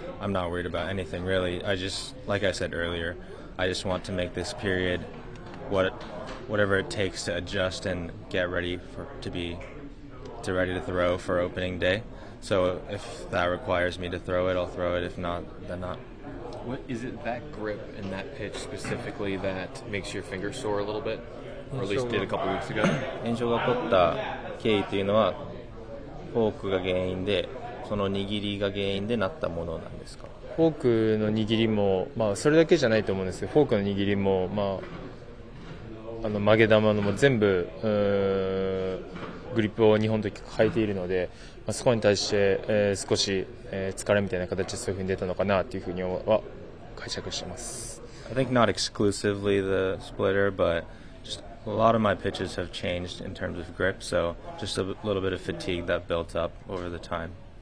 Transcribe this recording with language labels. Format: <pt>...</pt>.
<en>I'm not worried about anything, really. I just, like I said earlier, I just want to make this period whatever it takes to adjust and get ready to throw for opening day. So if that requires me to throw it, I'll throw it. If not, then not. What is it, that grip and that pitch specifically, that makes your finger sore a little bit? Or at least did a couple weeks ago?</en> <ja>炎症が起こった経緯というのは、フォークが原因で、その握りが原因でなったものなんですか？フォークの握りも、まあ、それだけじゃないと思うんですけど、フォークの握りも、まあ、あの曲げ球のも全部グリップを日本の時変えているので、まあ、そこに対して、少し、疲れみたいな形でそういうふうに出たのかなというふうには解釈しています。</ja> <en>I think not exclusively the splitter, butA lot of my pitches have changed in terms of grip, so just a little bit of fatigue that built up over the time.</en>